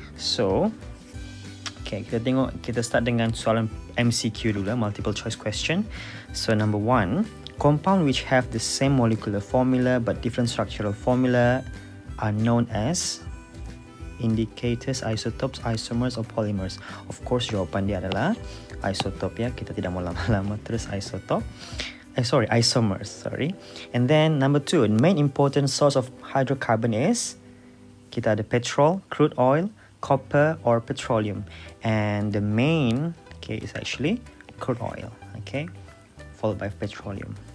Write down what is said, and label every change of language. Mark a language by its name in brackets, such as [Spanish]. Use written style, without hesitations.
[English] So okay, [Malay] kita start dengan soalan MCQ dulu, multiple choice question. [English] So number one, compound which have the same molecular formula but different structural formula are known as indicators, isotopes, isomers, or polymers. Of course, [Malay] jawapan dia adalah isotop ya. Kita tidak mau lama-lama terus isotop. Isomers. Sorry. [English] And then number two, main important source of hydrocarbon is [Malay] kita ada [English] petrol, crude oil, copper or petroleum, and the main is actually crude oil, okay, followed by petroleum.